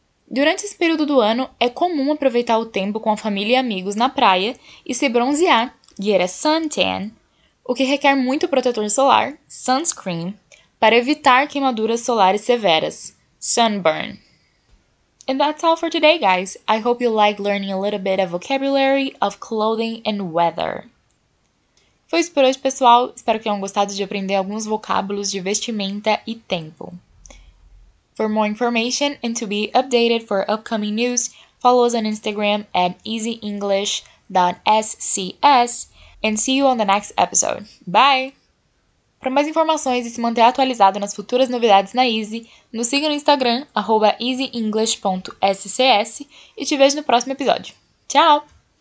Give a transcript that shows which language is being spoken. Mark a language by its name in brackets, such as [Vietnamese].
[Portuguese] Durante esse período do ano, é comum aproveitar o tempo com a família e amigos na praia e se bronzear, [English] get a suntan, [Portuguese] o que requer muito protetor solar, [English] sunscreen, [Portuguese] para evitar queimaduras solares severas, [English] sunburn. And that's all for today, guys. I hope you like learning a little bit of vocabulary, of clothing and weather. [Portuguese] Foi isso por hoje, pessoal. Espero que tenham gostado de aprender alguns vocábulos de vestimenta e tempo. [English] For more information and to be updated for upcoming news, follow us on Instagram at easyenglish.scs and see you on the next episode. Bye! [Portuguese] Para mais informações e se manter atualizado nas futuras novidades na Easy, nos siga no Instagram, @easyenglish.scs e te vejo no próximo episódio. Tchau!